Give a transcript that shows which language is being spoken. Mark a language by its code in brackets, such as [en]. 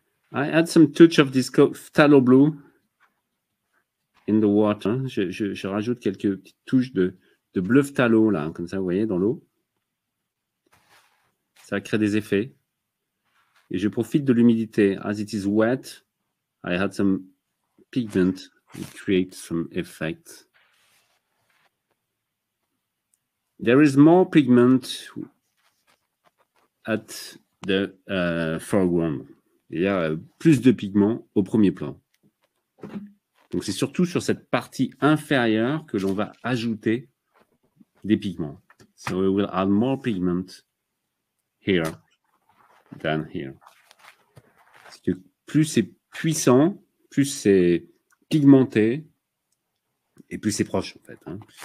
[en] I add some touch of this phthalo blue in the water. [fr] Je rajoute quelques petites touches de bleu phthalo, là, comme ça, vous voyez, dans l'eau. Ça crée des effets. Et je profite de l'humidité. [en] As it is wet, I add some pigment to create some effect. There is more pigment at the foreground. [fr] Il y a plus de pigments au premier plan. Donc, c'est surtout sur cette partie inférieure que l'on va ajouter des pigments. [en] So, we will add more pigment here than here. [fr] Parce que plus c'est puissant, plus c'est pigmenté et plus c'est proche, en fait. Hein.